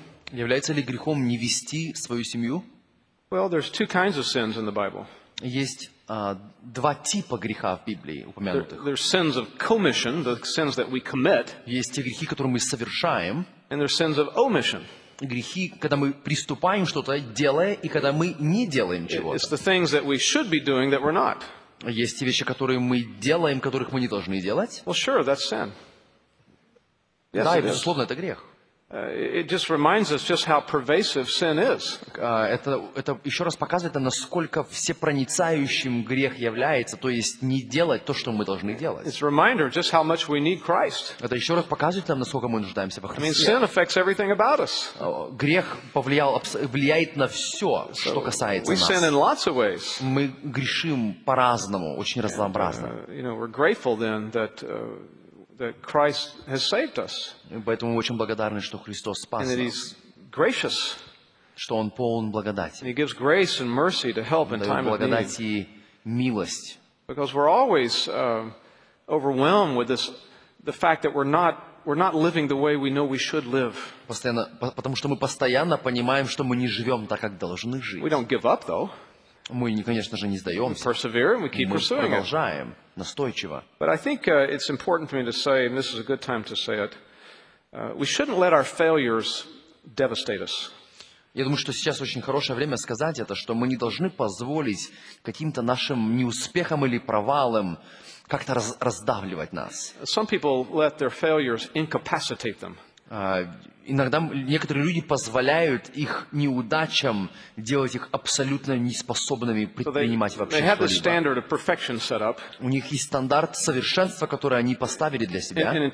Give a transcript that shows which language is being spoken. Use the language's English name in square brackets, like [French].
[Russian] Является ли грехом не вести свою семью? [English] Well, there's two kinds of sins in the Bible. [Russian] Есть два типа греха в Библии упомянутых. [English] There's sins of commission, the sins that we commit. [Russian] Есть те грехи, которые мы совершаем. [English] And there's sins of omission. [Russian] Грехи, когда мы приступаем что-то, делая, и когда мы не делаем чего-то. [English] It's the things that we should be doing that we're not. [Russian] Есть те вещи, которые мы делаем, которых мы не должны делать. [English] Well, sure, that's sin. Yes, [Russian] да, безусловно, это грех. [English] It just reminds us just how pervasive sin is. [Russian] Это еще раз показывает, насколько всепроницающим грех является, то есть не делать то, что мы должны делать. [English] It's a reminder just how much we need Christ. [Russian] Это еще раз показывает нам, насколько мы нуждаемся во Христе. [English] I mean, sin affects everything about us. [Russian] Грех влияет на все, что касается нас. [English] We sin in lots of ways. [Russian] Мы грешим по-разному, очень разнообразно. [English] You know, we're grateful then that Christ has saved us. [Russian] Поэтому мы очень благодарны, что Христос спас нас. [English] And that He's gracious. [Russian] Что Он полон благодати. [English] And He gives grace and mercy to help in time of need. [Russian] Благодать и милость. [English] Because we're always overwhelmed with the fact that we're not living the way we know we should live. [Russian] Потому что мы постоянно понимаем, что мы не живем так, как должны жить. [English] We don't give up, though. [Russian] Мы, конечно же, не сдаемся. [English] We persevere and we keep pursuing. [Russian] Мы продолжаем. Настойчиво. [English] But I think it's important for me to say, and this is a good time to say it, we shouldn't let our failures devastate us. [Russian] Я думаю, что сейчас очень хорошее время сказать это, что мы не должны позволить каким-то нашим неуспехам или провалам как-то раздавливать нас. [English] Some people let their failures incapacitate them. [Russian] Иногда некоторые люди позволяют их неудачам делать их абсолютно неспособными предпринимать вообще что-либо. У них есть стандарт совершенства, который они поставили для себя.